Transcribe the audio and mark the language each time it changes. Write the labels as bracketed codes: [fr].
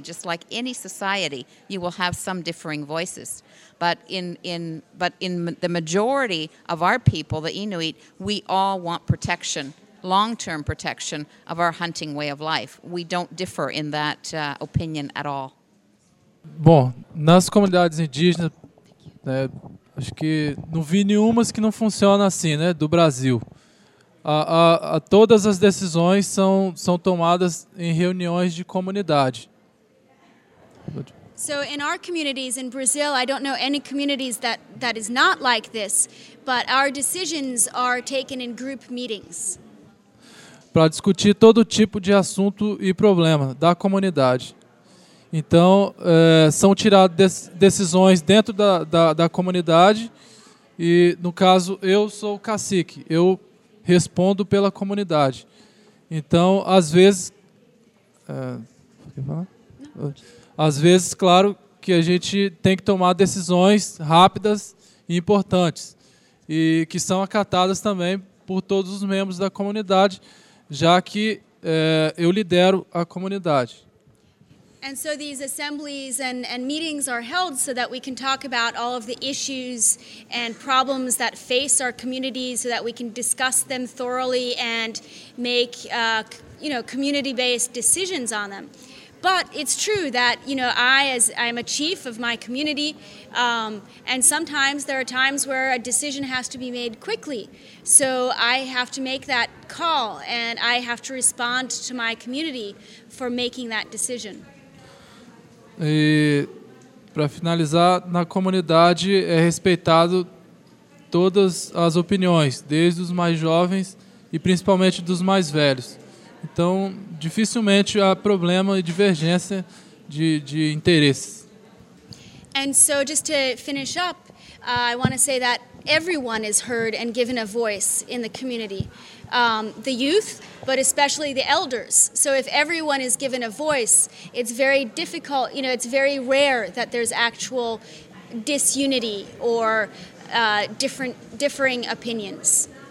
[en] Just like any society, you will have some differing voices. But in the majority of our people, the Inuit, we all want protection, long-term protection of our hunting way of life. We don't differ in that opinion at all. [pt] Bom, nas comunidades indígenas, né, acho que não vi nenhuma que não funciona assim, né, do Brasil. Todas as decisões são tomadas em reuniões de comunidade. [en] So in our communities in Brazil, I don't know any communities that is not like this, but our decisions are taken in group meetings. [pt] Para discutir todo tipo de assunto e problema da comunidade. Então, são tiradas decisões dentro da comunidade e, no caso, eu sou o cacique, eu respondo pela comunidade. Então, às vezes... Às vezes, claro, que a gente tem que tomar decisões rápidas e importantes e que são acatadas também por todos os membros da comunidade, já que eu lidero a comunidade. [en] And so these assemblies and meetings are held so that we can talk about all of the issues and problems that face our communities so that we can discuss them thoroughly and make community-based decisions on them. But it's true that, you know, I'm a chief of my community, and sometimes there are times where a decision has to be made quickly. So I have to make that call, and I have to respond to my community for making that decision. [pt] E para finalizar, na comunidade é respeitado todas as opiniões, desde os mais jovens e principalmente dos mais velhos. Então, dificilmente há problema e divergência de interesses. [en] And so just to finish up, I want to say that everyone is heard and given a voice in the community. The youth, but especially the elders. So if everyone is given a voice, it's very difficult, you know, it's very rare that there's actual disunity or differing opinions.